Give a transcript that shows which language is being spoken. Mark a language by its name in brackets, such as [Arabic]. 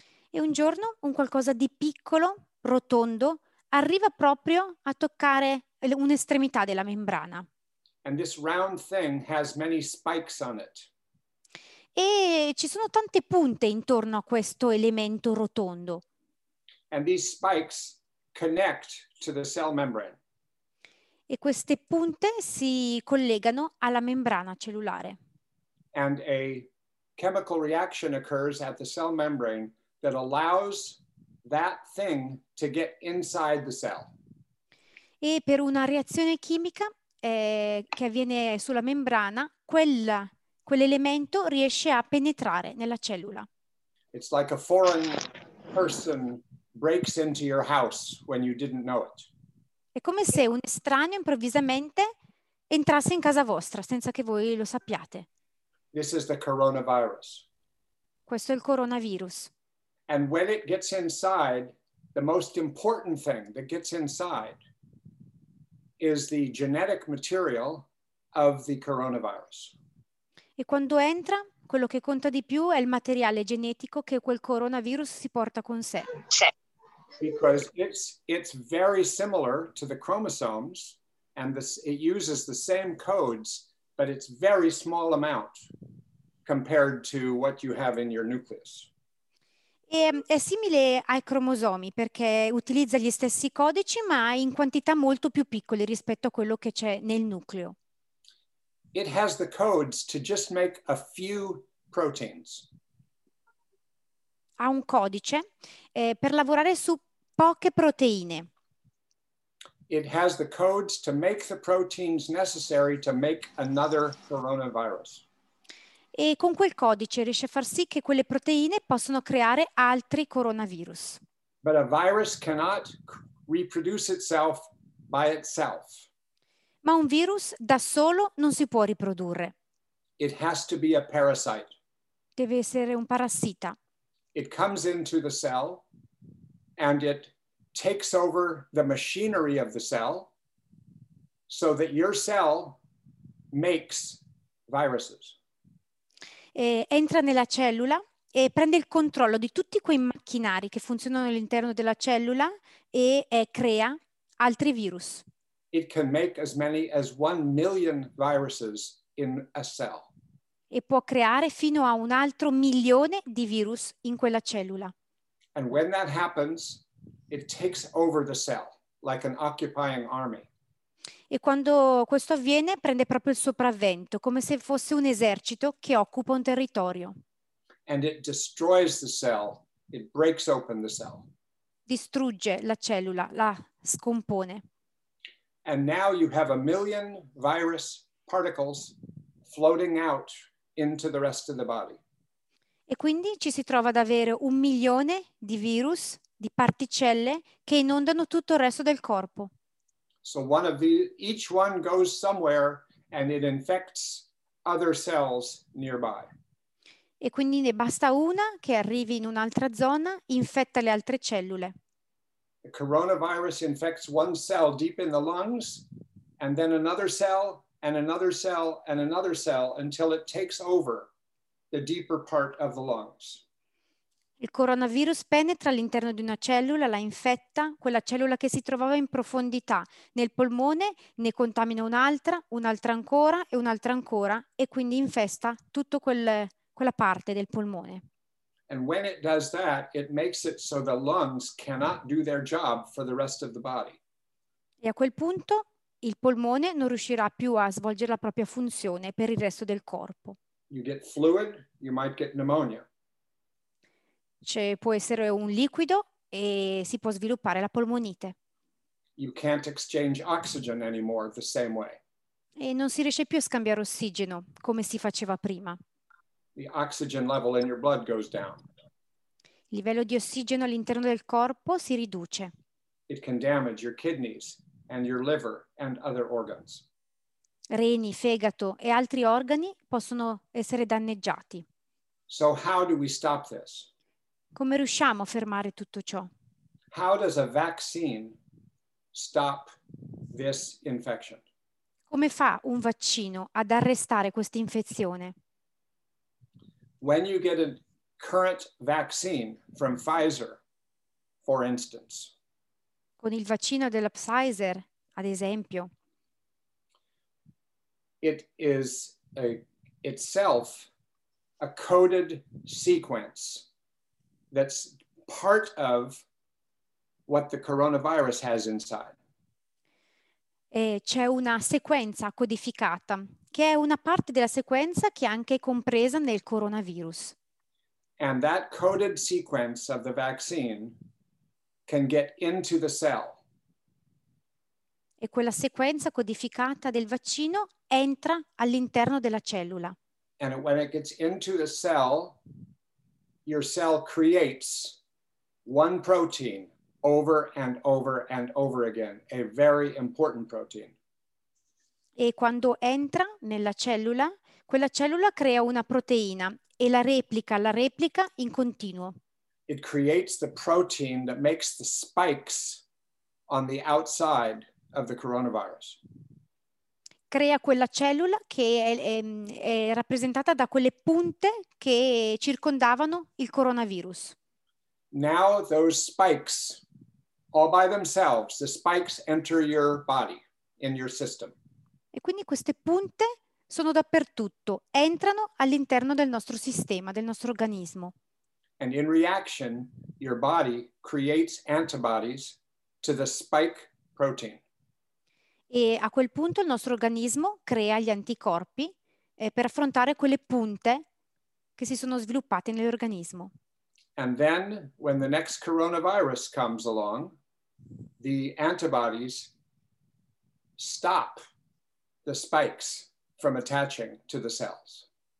[Italian] E un giorno un qualcosa di piccolo, rotondo, arriva proprio a toccare un'estremità della membrana. [English] And this round thing has many spikes on it. [Italian] E ci sono tante punte intorno a questo elemento rotondo. [English] And these spikes connect to the cell membrane. [Italian] E queste punte si collegano alla membrana cellulare. [English] And a chemical reaction occurs at the cell membrane that allows that thing to get inside the cell. [Italian] E per una reazione chimica che avviene sulla membrana, quell'elemento riesce a penetrare nella cellula. [English] It's like a foreign person breaks into your house when you didn't know it. [Italian] È come se un estraneo improvvisamente entrasse in casa vostra senza che voi lo sappiate. [English] This is the coronavirus. [Italian] Questo è il coronavirus. [English] And when it gets inside, the most important thing that gets inside is the genetic material of the coronavirus. [Italian] E quando entra, quello che conta di più è il materiale genetico che quel coronavirus si porta con sé. [English] Because it's very similar to the chromosomes and this, it uses the same codes, but it's very small amount compared to what you have in your nucleus. [Italian] È simile ai cromosomi perché utilizza gli stessi codici ma in quantità molto più piccole rispetto a quello che c'è nel nucleo. [English] It has the codes to just make a few proteins. [Italian] Ha un codice per lavorare su poche proteine. [English] It has the codes to make the proteins necessary to make another coronavirus. [Italian] E con quel codice riesce a far sì che quelle proteine possano creare altri coronavirus. [English] But a virus cannot reproduce itself by itself. [Italian] Ma un virus da solo non si può riprodurre. [English] It has to be a parasite. [Italian] Deve essere un parassita. [English] It comes into the cell and it takes over the machinery of the cell so that your cell makes viruses. [Italian] Entra nella cellula e prende il controllo di tutti quei macchinari che funzionano all'interno della cellula e crea altri virus. [English] It can make as many as 1 million viruses in a cell. [Italian] E può creare fino a un altro milione di virus in quella cellula. [English] And when that happens, it takes over the cell like an occupying army. [Italian] E quando questo avviene, prende proprio il sopravvento, come se fosse un esercito che occupa un territorio. [English] And it destroys the cell, it breaks open the cell. [Italian] Distrugge la cellula, la scompone. [English] And now you have a million virus particles floating out into the rest of the body. [Italian] E quindi ci si trova ad avere un milione di virus, di particelle, che inondano tutto il resto del corpo. [English] So one of the, each one goes somewhere and it infects other cells nearby. [Italian] E quindi ne basta una che arrivi in un'altra zona, infetta le altre cellule. [English] The coronavirus infects one cell deep in the lungs, and then another cell, and another cell, and another cell, until it takes over the deeper part of the lungs. [Italian] Il coronavirus penetra all'interno di una cellula, la infetta, quella cellula che si trovava in profondità nel polmone, ne contamina un'altra ancora e un'altra ancora, e quindi infesta tutto quella parte del polmone. [English] And when it does that, it makes it so the lungs cannot do their job for the rest of the body. [Italian] E a quel punto il polmone non riuscirà più a svolgere la propria funzione per il resto del corpo. [English] You get fluid, you might get pneumonia. [Italian] Cioè, può essere un liquido e si può sviluppare la polmonite. [English] You can't exchange oxygen anymore the same way. [Italian] E non si riesce più a scambiare ossigeno come si faceva prima. [English] The oxygen level in your blood goes down. [Italian] Il livello di ossigeno all'interno del corpo si riduce. [English] It can damage your kidneys and your liver and other organs. [Italian] Reni, fegato e altri organi possono essere danneggiati. [English] So how do we stop this? [Italian] Come riusciamo a fermare tutto ciò? [English] How does a vaccine stop this infection? [Italian] Come fa un vaccino ad arrestare questa infezione? [English] When you get a current vaccine from Pfizer, for instance, [Italian] con il vaccino della Pfizer, ad esempio, [English] it is itself a coded sequence that's part of what the coronavirus has inside. [Italian] E c'è una sequenza codificata, che è una parte della sequenza che è anche compresa nel coronavirus. [English] And that coded sequence of the vaccine can get into the cell. [Italian] E quella sequenza codificata del vaccino entra all'interno della cellula. [English] And when it gets into the cell, your cell creates one protein over and over and over again, a very important protein. [Italian] E quando entra nella cellula, quella cellula crea una proteina e la replica in continuo. [English] It creates the protein that makes the spikes on the outside of the coronavirus. [Italian] Crea quella cellula che è rappresentata da quelle punte che circondavano il coronavirus. [English] Now those spikes, all by themselves, the spikes enter your body, in your system. [Italian] E quindi queste punte sono dappertutto, entrano all'interno del nostro sistema, del nostro organismo. [English] And in reaction, your body creates antibodies to the spike protein. [Italian] E a quel punto il nostro organismo crea gli anticorpi per affrontare quelle punte che si sono sviluppate nell'organismo. [English] And then, when the next coronavirus comes along, the antibodies stop the spikes from attaching to the cells.